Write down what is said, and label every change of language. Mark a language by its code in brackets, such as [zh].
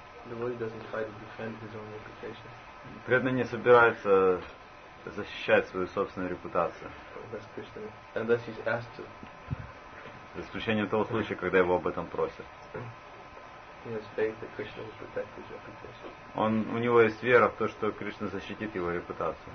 [en] Devotee doesn't try to defend his own reputation. [ru] Преданный не собирается защищать свою собственную репутацию. [en] Unless he's asked to. [ru] За исключением того случая, когда его об этом просят. [en] He has faith that Krishna will protect his reputation. [ru] Он, у него есть вера в то, что Кришна защитит его репутацию.